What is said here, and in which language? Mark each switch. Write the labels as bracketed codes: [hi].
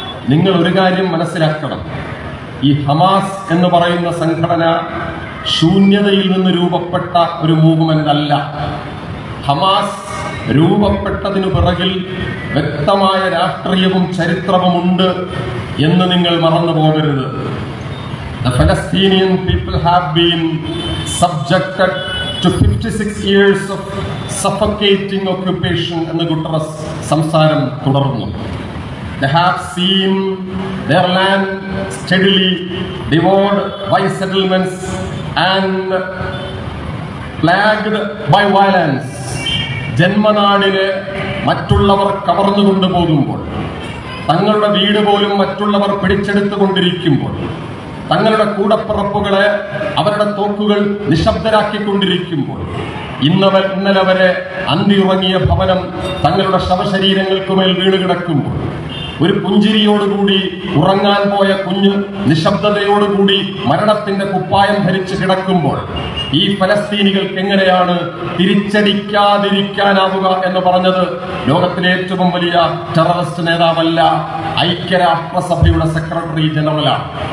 [ml] നിങ്ങൾ ഒരു കാര്യം മനസ്സിലാക്കണം, ഈ ഹമാസ് എന്ന് പറയുന്ന സംഘടന ശൂന്യതയിൽ നിന്ന് രൂപപ്പെട്ട ഒരു മൂവ്മെൻ്റ് അല്ല. ഹമാസ് രൂപപ്പെട്ടതിനു പിറകിൽ വ്യക്തമായ രാഷ്ട്രീയവും ചരിത്രവുമുണ്ട് എന്ന് നിങ്ങൾ മറന്നു പോകരുത്. [en] The Palestinian people have been subjected to 56 years of suffocating occupation [ml] എന്ന് ഗുട്ടറസ് സംസാരം തുടർന്നു. [en] They have seen their land steadily devoured by settlements and plagued by violence. [ml] ജന്മനാടിനെ മറ്റുള്ളവർ കവർന്നുകൊണ്ട് പോകുമ്പോൾ, തങ്ങളുടെ വീട് പോലും മറ്റുള്ളവർ പിടിച്ചെടുത്തുകൊണ്ടിരിക്കുമ്പോൾ, തങ്ങളുടെ കൂടപ്പിറപ്പുകളെ അവരുടെ തോക്കുകൾ നിശബ്ദരാക്കിക്കൊണ്ടിരിക്കുമ്പോൾ, ഇന്നലെ വരെ അന്തിയുറങ്ങിയ ഭവനം തങ്ങളുടെ ശവശരീരങ്ങൾക്കുമേൽ വീണുകിടക്കുമ്പോൾ, ഒരു പുഞ്ചിരിയോടുകൂടി ഉറങ്ങാൻ പോയ കുഞ്ഞ് നിശബ്ദതയോടുകൂടി മരണത്തിന്റെ കുപ്പായം ധരിച്ച് കിടക്കുമ്പോൾ, ഈ ഫലസ്തീനികൾക്ക് എങ്ങനെയാണ് തിരിച്ചടിക്കാതിരിക്കാനാവുക എന്ന് പറഞ്ഞത് ലോകത്തിലെ ഏറ്റവും വലിയ ടെററിസ്റ്റ് നേതാവല്ല, ഐക്യരാഷ്ട്രസഭയുടെ സെക്രട്ടറി ജനറലാണ്.